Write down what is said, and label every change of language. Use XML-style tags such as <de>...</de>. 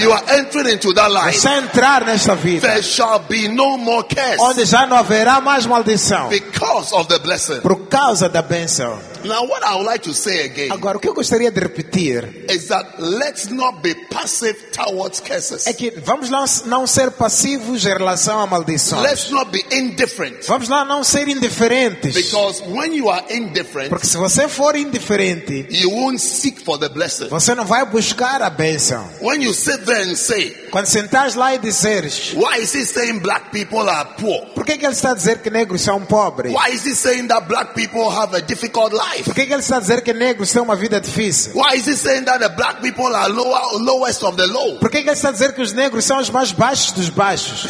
<en>You are entering into that life.</en> <pt>Você está a entrar nessa vida.</pt> <en>There shall be no more curse.</en> <pt>Onde já não haverá mais maldição.</pt> <en>Because of the blessing.</en> <pt>Por causa da bênção.</pt> <en>Now what I would like to say again.</en> <pt>Agora o que eu gostaria de repetir</pt> <en>is that let's not be passive towards curses.</en> <pt>É que vamos lá não ser passivos em relação a maldições.</pt> <en>Let's not be indifferent.</en> <pt>Vamos lá não ser indiferentes.</pt> <en>Because when you are indifferent,</en> <pt>porque se você for indiferente,</pt> <en>you won't seek for the blessing.</en> <pt>Você não vai buscar a bênção.</pt> <en>When you sit there and say,</en> <pt>quando sentares lá e dizeres,</pt> <en>why is he saying black people are poor?</en> <pt>Por que ele está a dizer que negros são pobres?</pt> <en>Why is he saying that black people have a difficult life?</en> <pt>Por que ele está a dizer que negros têm uma vida difícil?</pt> <en>Why is he saying that the black people are lowest of the low?</en> <pt>Por que ele está a dizer que os negros são os mais baixos dos baixos?</pt>